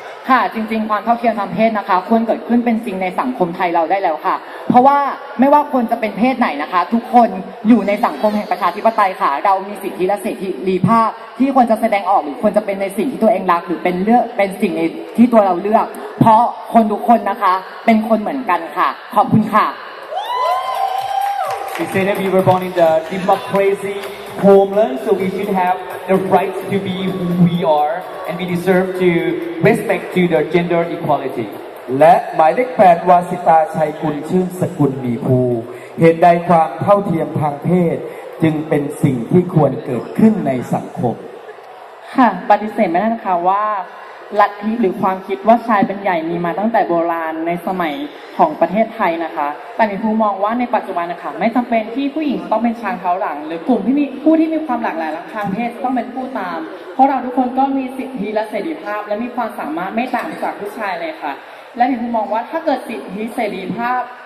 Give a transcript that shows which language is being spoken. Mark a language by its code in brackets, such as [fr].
[th] ค่ะจริงๆความเท่าเทียมทางเพศนะคะควรเกิดขึ้นเป็นจริงในสังคมไทยเราได้แล้วค่ะเพราะว่าไม่ว่าคนจะเป็นเพศไหนนะคะทุกคนอยู่ในสังคมแห่งประชาธิปไตยค่ะเรามีสิทธิและเสรีภาพที่ควรจะแสดงออกหรือควรจะเป็นในสิ่งที่ตัวเองรักหรือเป็นเลือกเป็นสิ่งในที่ตัวเราเลือกเพราะคนทุกคนนะคะเป็นคนเหมือนกันค่ะขอบคุณค่ะ [en] We say that we were born in the democracy homeland so we should have the right to be who we are and we deserve to respect to the gender equality [th] และหมายเลข8วาสิตาชัยกุลชื่นสกุลมีภูเหตุใดความเท่าเทียมทางเพศจึงเป็นสิ่งที่ควรเกิดขึ้นในสังคม ค่ะปฏิเสธไม่ได้นะคะว่าลัทธิหรือความคิดว่าชายเป็นใหญ่มีมาตั้งแต่โบราณในสมัยของประเทศไทยนะคะแต่ในภูมองว่าในปัจจุบันนะคะไม่จำเป็นที่ผู้หญิงต้องเป็นช้างเท้าหลังหรือกลุ่มที่มีผู้ที่มีความหลากหลายทางเพศต้องเป็นผู้ตามเพราะเราทุกคนก็มีสิทธิและเสรีภาพและมีความสามารถไม่ต่างจากผู้ชายเลยค่ะและในภูมองว่าถ้าเกิดสิทธิเสรีภาพ